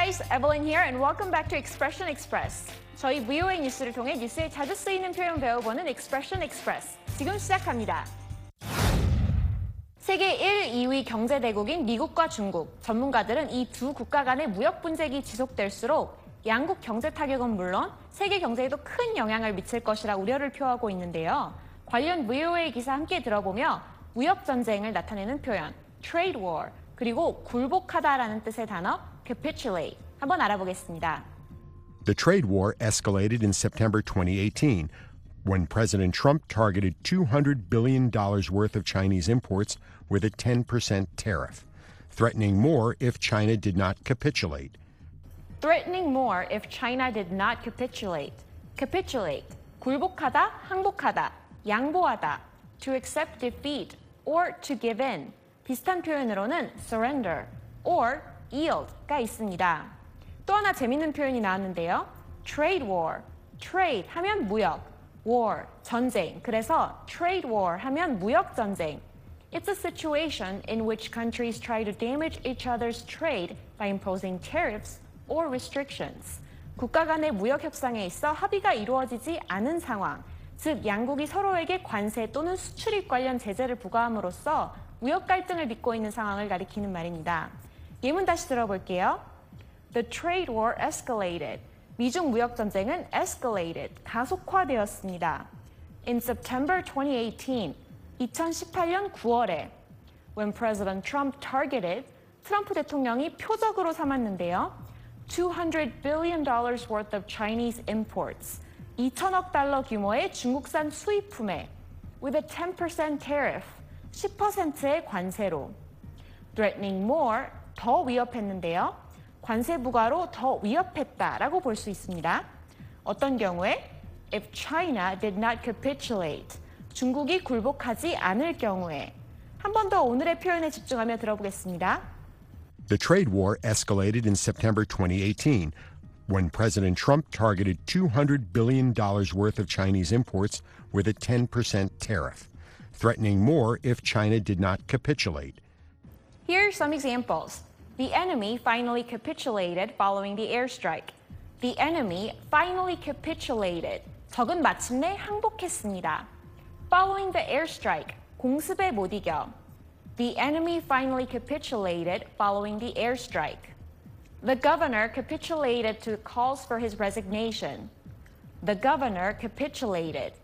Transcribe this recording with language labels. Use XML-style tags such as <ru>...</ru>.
<en>Evelyn here, and welcome back to Expression Express.</en> <ko>저희 VOA 뉴스를 통해 뉴스에 자주 쓰이는 표현 배워보는 Expression Express. 지금 시작합니다. 세계 1, 2위 경제대국인 미국과 중국, 전문가들은 이 두 국가 간의 무역 분쟁이 지속될수록 양국 경제 타격은 물론 세계 경제에도 큰 영향을 미칠 것이라 우려를 표하고 있는데요. 관련 VOA 기사 함께 들어보며 무역 전쟁을 나타내는 표현, Trade War, 그리고 굴복하다라는 뜻의 단어, Capitulate. 한번 알아보겠습니다.</ko> <en>The trade war escalated in September 2018, when President Trump targeted $200 billion worth of Chinese imports with a 10% tariff, threatening more if China did not capitulate. Threatening more if China did not capitulate. Capitulate.</en> <ko>굴복하다, 항복하다, 양보하다.</ko> <en>To accept defeat or to give in.</en> <ko>비슷한 표현으로는 surrender or yield가 있습니다. 또 하나 재밌는 표현이 나왔는데요. Trade war. Trade 하면 무역. War, 전쟁. 그래서 trade war 하면 무역 전쟁.</ko> <en>It's a situation in which countries try to damage each other's trade by imposing tariffs or restrictions.</en> <ko>국가 간의 무역 협상에 있어 합의가 이루어지지 않은 상황. 즉, 양국이 서로에게 관세 또는 수출입 관련 제재를 부과함으로써 무역 갈등을 빚고 있는 상황을 가리키는 말입니다. 예문 다시 들어볼게요.</ko> <en>The trade war escalated.</en> <ko>미중 무역 전쟁은 escalated, 가속화되었습니다.</ko> <en>In September 2018,</en> <ko>2018년 9월에</ko> <en>when President Trump targeted,</en> <ko>트럼프 대통령이 표적으로 삼았는데요.</ko> <en>$200 billion worth of Chinese imports,</en> <ko>2천억 달러 규모의 중국산 수입품에</ko> <en>with a 10% tariff,</en> <ko>10%의 관세로</ko> <en>threatening more,</en> <ko>더 위협했는데요. 관세 부과로 더 위협했다라고 볼 수 있습니다. 어떤 경우에?</ko> <en>If China did not capitulate,</en> <ko>중국이 굴복하지 않을 경우에. 한 번 더 오늘의 표현에 집중하며 들어보겠습니다.</ko> <en>The trade war escalated in September 2018 when President Trump targeted $200 billion worth of Chinese imports with a 10% tariff, threatening more if China did not capitulate. Here are some examples. The enemy finally capitulated following the airstrike. The enemy finally capitulated.</en> <ko>적은 마침내 항복했습니다.</ko> <en>Following the airstrike,</en> <ko>공습에 못 이겨.</ko> <en>The enemy finally capitulated following the airstrike. The governor capitulated to calls for his resignation. The governor capitulated.</en>